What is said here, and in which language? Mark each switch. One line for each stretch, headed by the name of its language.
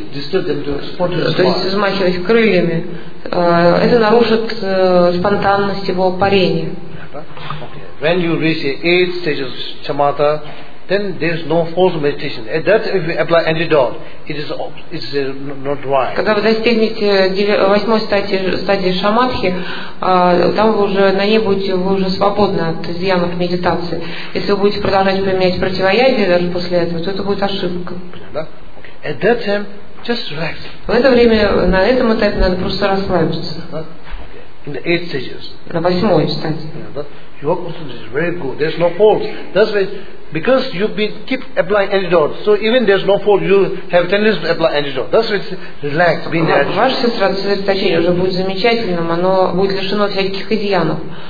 Russian: То есть взмахивать крыльями, это нарушит спонтанность его парения.
English: When you reach the eighth stage of shamatha, then there is no false meditation. At that, if you apply antidote, it is not right.
Russian: Когда вы достигнете восьмой стадии шамадхи, там вы уже на ней будете, вы уже свободны от изъянов медитации. Если вы будете продолжать применять противоядие даже после этого, то это будет ошибка.
English: At that time, just relax.
Russian: В это время, на этом этапе надо просто расслабиться.
English: in the eighth stages.
Russian: На восьмой стадии.
English: Yeah, your concentration is very good. There's no fault. That's why, because you've been keep applying antidote, so even there's no fault, you have tendency to apply antidote. That's why relax, be in the attitude.
Russian: Ваше сосредоточение уже будет замечательным, оно будет лишено всяких изъянов.